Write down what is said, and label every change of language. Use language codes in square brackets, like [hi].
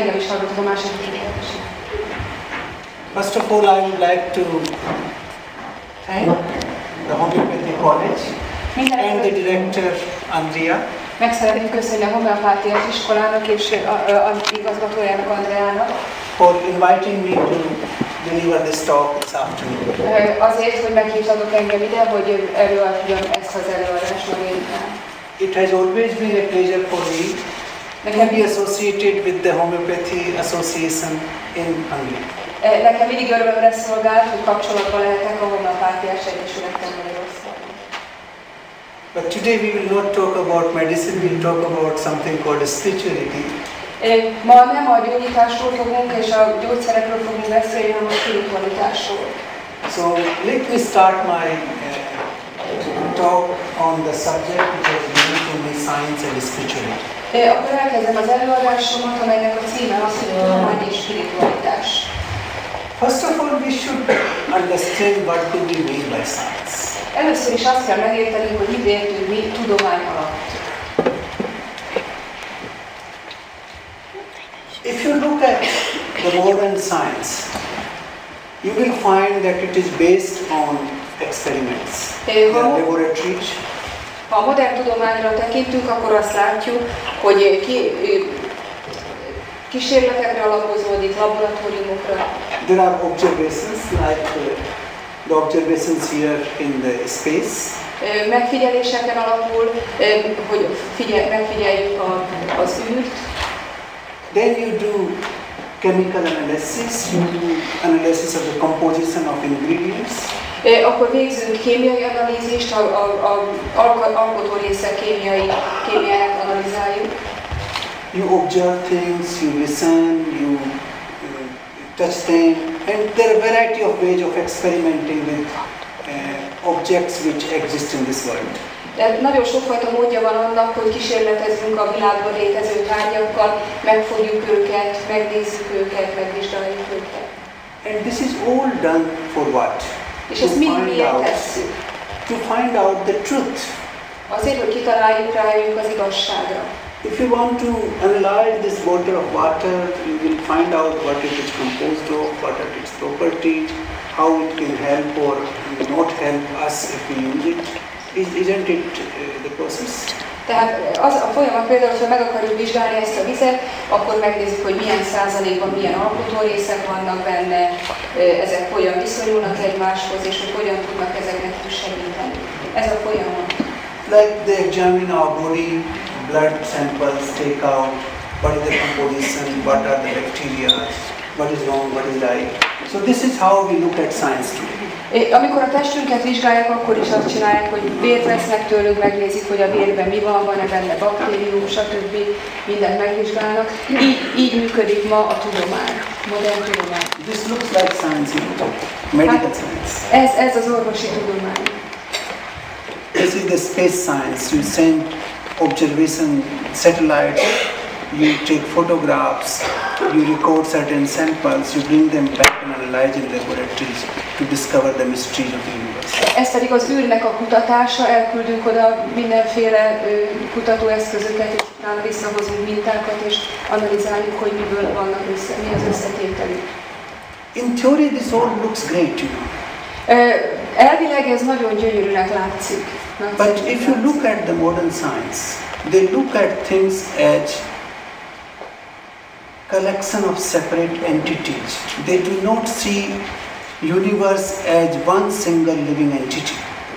[hu] Engem is hallgatod a második kérdésre. [en] First of all, I would like to thank the Homeopathy College and the director Andrea. [hu] Meg szeretném köszönni a homeopátiai iskolának és az igazgatójának Andreának. [en] For inviting me to deliver this talk this afternoon. [hu] Azért, hogy meghívtatok engem ide, hogy előadjam ezt az előadást. [en] It has always been a pleasure for me to be associated with the Homeopathy Association in Hungary. [hu] Nekem mindig örömre szolgált, hogy kapcsolatban lehetek a homeopátiai egyesülettel Magyarországon. [en] But today we will not talk about medicine, we will talk about something called spirituality. [hu] Ma nem a gyógyításról fogunk és a gyógyszerekről fogunk beszélni, hanem a spiritualitásról. [en] So let me start my talk on the subject which has been given me, science and spirituality. [hu] Akkor elkezdem az előadásomat, amelynek a címe az, hogy tudomány és spiritualitás. [en] First of all, we should understand what do we mean by science. [hu] Először is azt kell megértenünk, hogy mit értünk mi tudomány alatt. [en] If you look at the modern science, you will find that it is based on experiments, laboratories. [hu] Ha a modern tudományra tekintünk, akkor azt látjuk, hogy kísérletekre alapozódik, laboratóriumokra. [en] There are observations, like the observations here in the space. [hu] Megfigyeléseken alapul, hogy megfigyeljük az űrt. [en] Then you do chemical analysis, you do analysis of the composition of ingredients. [hu] Akkor végzünk kémiai analízist, alkotó részek kémiáját analizáljuk. [en] You observe things, you listen, you touch things, and there are a variety of ways of experimenting with objects which exist in this world. [hu] Tehát nagyon sokfajta módja van annak, hogy kísérletezzünk a világban létező tárgyakkal, megfogjuk őket, megnézzük őket, megvizsgáljuk őket. [en] And this is all done for what? [hu] És ezt mind miért tesszük? [en] To find out the truth. [hu] Azért, hogy kitaláljuk, rájöjjünk az igazságra. [en] If you want to analyze this bottle of water, you will find out what it is composed of, what are its properties, how it can help or not help us if we use it. Isn't it the process? [hu] Tehát az a folyamat például, hogy meg akarjuk vizsgálni ezt a vizet, akkor megnézzük, hogy milyen százalékban, milyen alkotó részek vannak benne, ezek hogyan viszonyulnak egymáshoz, és hogy hogyan tudnak ezeknek segíteni. Ez a folyamat. [en] Like they examine our body, blood samples, take out, what is the composition, what are the bacteria, what is wrong, what is right. So this is how we look at science today. [hu] Amikor a testünket vizsgálják, akkor is azt csinálják, hogy vért vesznek tőlünk, megnézik, hogy a vérben mi van, van-e benne baktérium, stb. Mindent megvizsgálnak. Így működik ma a tudomány, modern tudomány. [en] This looks like science, you know, medical science. [hu] Ez az orvosi tudomány. [en] This is the space science. You send observation satellites, you take photographs, you record certain samples, you bring them back and analyze in laboratories to discover the mysteries of the universe. [hu] Ez pedig az űrnek a kutatása, elküldünk oda mindenféle kutatóeszközöket, és utána visszahozunk mintákat, és analizáljuk, hogy miből vannak össze, mi az összetételi. [en] In theory, this all looks great, you know. [hu] Elvileg ez nagyon gyönyörűnek látszik. [en] But if you look at the modern science, they look at things as collection of separate entities. They do not see universe as one single living entity.